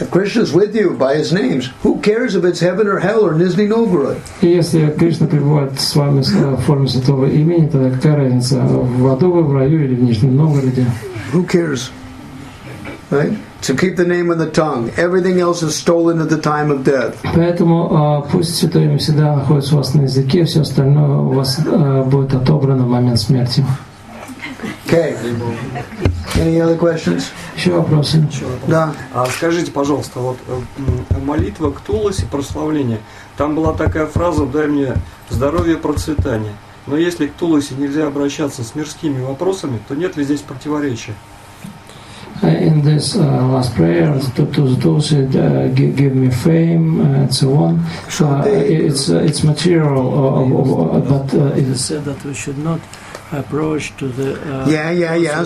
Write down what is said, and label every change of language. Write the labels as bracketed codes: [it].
[en] If Krishna is with you by His names, who cares if it's heaven or hell or Nizhny Novgorod? [ru] Если Кришна пребывает с вами в форме святого имени, тогда какая разница, в аду вы, в раю или в Нижнем Новгороде? [en] Who cares? Right? To keep the name on the tongue. Everything else is stolen at the time of death. [ru] Поэтому пусть святое имя всегда находится у вас на языке, все остальное у вас будет отобрано в момент смерти. [en] Okay. Any other questions? [ru] Еще вопросы? Да. Скажите, пожалуйста, вот молитва к Туласи, прославление, там была такая фраза «Дай мне здоровье, процветание». Но если к Туласи нельзя обращаться с мирскими вопросами, то нет ли здесь противоречия? [en] In this last prayer, to those who give me fame, and so on, it's material, but it is said that we should not approach to the...